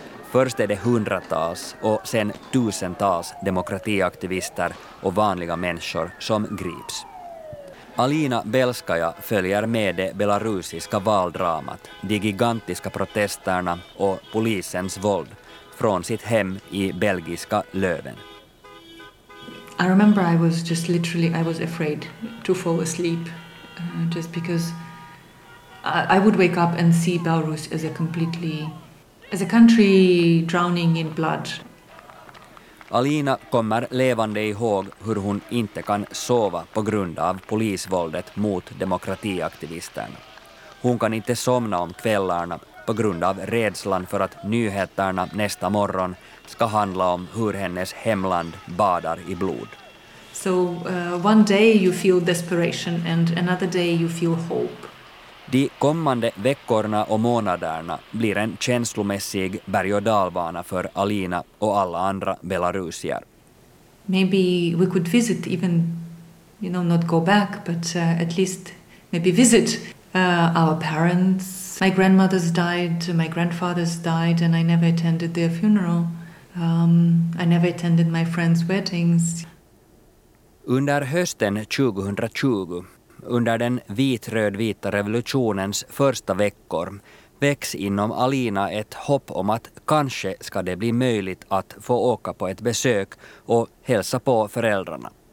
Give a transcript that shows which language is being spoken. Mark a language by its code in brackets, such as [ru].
[sv] Först är det hundratals och sen tusentals demokratiaktivister och vanliga människor som grips. Alina Belskaja följer med det belarusiska valdramat, de gigantiska protesterna och polisens våld från sitt hem i belgiska Löven. [en] I remember I was just literally, I was afraid to fall asleep just because I would wake up and see Belarus as a completely, as a country drowning in blood. [sv] Alina kommer levande ihåg hur hon inte kan sova på grund av polisvåldet mot demokratiaktivisterna. Hon kan inte somna om kvällarna på grund av rädslan för att nyheterna nästa morgon ska handla om hur hennes hemland badar i blod. [en] So one day you feel desperation and another day you feel hope. [sv] De kommande veckorna och månaderna blir en känslomässig berg- och dalbana för Alina och alla andra belarusier. [en] Maybe we could visit, even, you know, not go back, but at least maybe visit our parents. My grandmother's died, my grandfather's died, and I never attended their funeral. I never attended my friends' weddings. [sv] Under hösten 2020, under den vit-röd-vita revolutionens första veckor, väcks inom Alina ett hopp om att kanske ska det bli möjligt att få åka på ett besök och hälsa på föräldrarna.